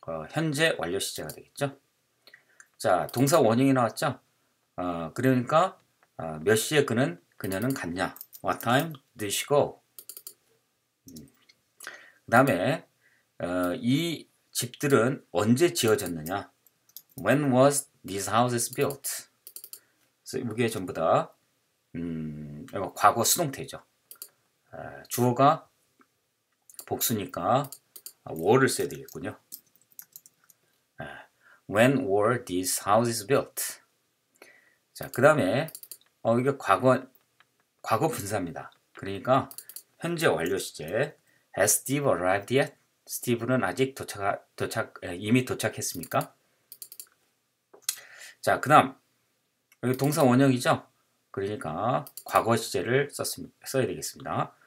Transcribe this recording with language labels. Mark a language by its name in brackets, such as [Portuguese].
[Korean] 현재 완료 시제가 되겠죠. 자, 동사 원형이 나왔죠. 그러니까 몇 시에 그녀는 갔냐? [English] What time did she go? [Korean] 그 다음에 이 집들은 언제 지어졌느냐? [English] When was these houses built? [Korean] 그래서 이게 전부 다 과거 수동태죠. 주어가 복수니까 were를 써야 되겠군요. [English] When were these houses built? [Korean] 자, 그 다음에 이게 과거 분사입니다. 그러니까 현재 완료 시제. [English] Has Steve arrived yet? [Korean] Steve는 아직 이미 도착했습니까? 자, 그 다음 여기 동사 원형이죠. 그러니까 과거 시제를 써야 되겠습니다.